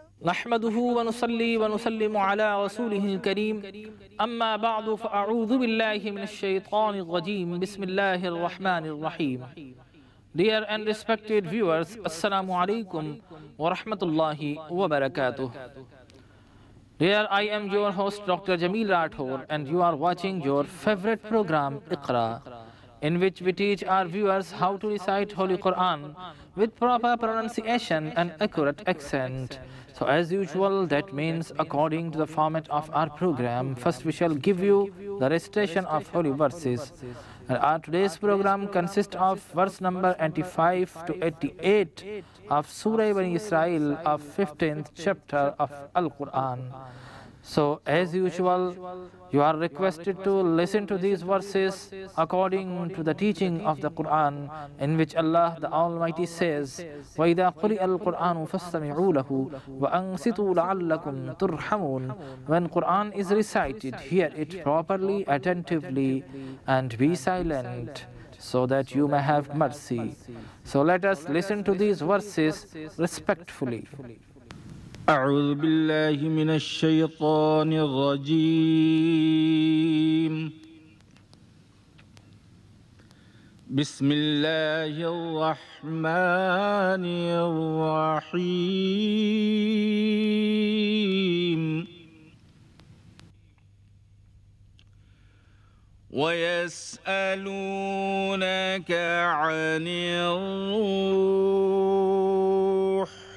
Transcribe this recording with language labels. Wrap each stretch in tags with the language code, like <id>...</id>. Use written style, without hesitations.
<ar>نحمده ونصلي ونسلم على رسوله الكريم أما بعد فأعوذ بالله من الشيطان الرجيم بسم الله الرحمن الرحيم</ar> <en>Dear and respected viewers,</en> <ar>Assalamu alaikum wa rahmatullahi wa barakatuh.</ar> <en>Dear, I am your host Dr. Jameel Rathor and you are watching your favorite program Iqra, in which we teach our viewers how to recite Holy Quran with proper pronunciation and accurate accent. So as usual, that means according to the format of our program, first we shall give you the recitation of holy verses. And our today's program consists of verse number 85 to 88 of Surah Bani Israel of 15th chapter of Al-Quran. So as usual, you are requested to listen to these verses according to the teaching of the Quran, in which Allah the Almighty says,</en> <ar>وَإِذَا قُرِئَ الْقُرْآنُ فَاسْتَمِعُوا لَهُ وَأَنْصِتُوا لَعَلَّكُمْ تُرْحَمُونَ.</ar> <en>When Quran is recited, hear it properly, attentively, and be silent, so that you may have mercy. So let us listen to these verses respectfully.</en> <ar>أعوذ بالله من الشيطان الرجيم بسم الله الرحمن الرحيم ويسألونك عن الروح</ar>